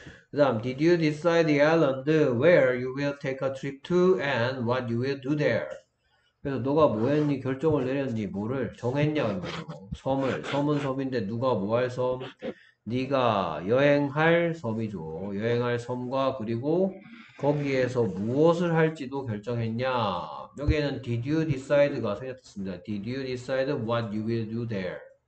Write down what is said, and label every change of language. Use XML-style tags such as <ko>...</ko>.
<ko>그 다음</ko> <en>Did you decide the island where you will take a trip to and what you will do there?</en> <ko>그래서 너가 뭐 했니 결정을 내렸니 뭐를 정했냐는 거죠. 섬을 섬은 섬인데 누가 뭐할 섬? 네가 여행할 섬이죠. 여행할 섬과 그리고 거기에서 무엇을 할지도 결정했냐. 여기에는</ko> <en>Did you decide</en> <ko>가 생략됐습니다.</ko> <en>Did you decide what you will do there?</en>